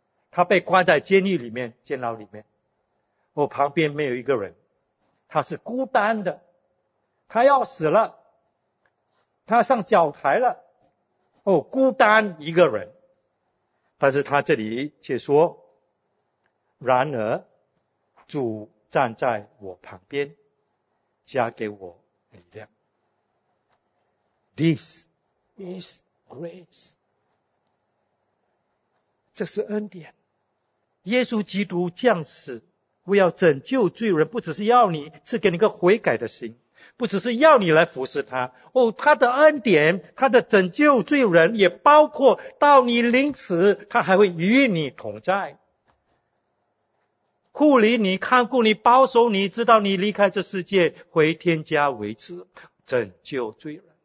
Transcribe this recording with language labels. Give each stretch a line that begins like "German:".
Chinese: 他被关在监狱里面，监牢里面，我旁边没有一个人，他是孤单的，他要死了，他上绞台了，哦，孤单一个人。但是他这里却说，然而主站在我旁边，加给我力量。
English: This is grace，
Chinese: 这是恩典。耶稣基督降世为要拯救罪人，不只是要你赐给你一个悔改的心，不只是要你来服侍他，哦，他的恩典，他的拯救罪人，也包括到你临死，他还会与你同在，护理你，看顾你，保守你，直到你离开这世界，回天家为止，拯救罪人。